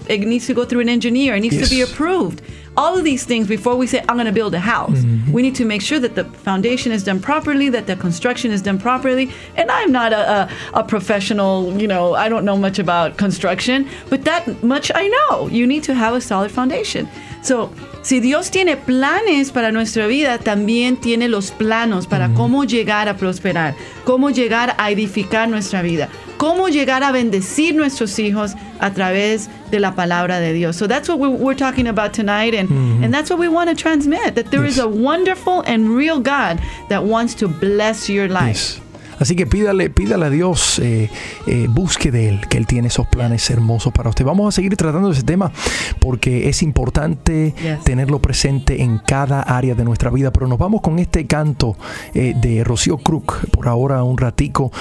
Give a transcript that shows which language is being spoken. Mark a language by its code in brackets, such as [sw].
[en] It needs to go through an engineer. It needs to be approved. All of these things before we say, I'm going to build a house. Mm-hmm. We need to make sure that the foundation is done properly, that the construction is done properly. And I'm not a professional, you know, I don't know much about construction. But that much I know. You need to have a solid foundation. [es] So, si Dios tiene planes para nuestra vida, también tiene los planos para cómo llegar a prosperar, cómo llegar a edificar nuestra vida, cómo llegar a bendecir nuestros hijos a través de la palabra de Dios. [en] So that's what we're talking about tonight, and that's what we want to transmit, that there is a wonderful and real God that wants to bless your life. Yes. [es] Así que pídale a Dios, busque de Él, que Él tiene esos planes hermosos para usted. Vamos a seguir tratando ese tema porque es importante tenerlo presente en cada área de nuestra vida. Pero nos vamos con este canto de Rocío Kruk por ahora un ratico.